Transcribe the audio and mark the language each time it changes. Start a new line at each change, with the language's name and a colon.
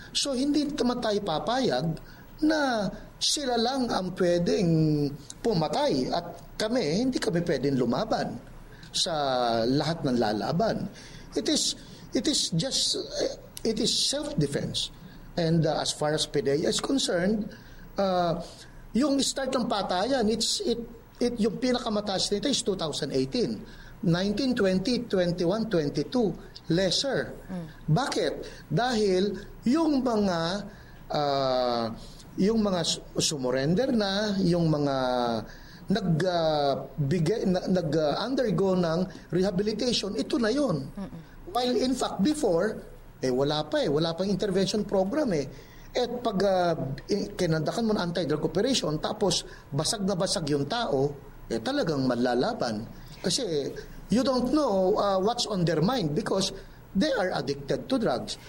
Filipino: So hindi naman tayo papayag na sila lang ang pwedeng pumatay at kami, hindi kami pwedeng lumaban sa lahat ng lalaban.
English: It is self-defense. And as far as PDEA is concerned, yung start
Filipino: ng patayan,
English: it's yung pinakamataas nito is 2018. 19, 20, 21, 22, lesser. Bakit?
Filipino: Dahil yung mga sumurrender na, yung mga nag-undergo ng rehabilitation, ito na yun.
English: While in fact before,
Filipino: wala pang
English: intervention program .
Filipino: At pag kinandakan mo ng anti-drug operation, tapos basag na basag yung tao, talagang malalaban.
English: Kasi you don't know what's on their mind because they are addicted to drugs.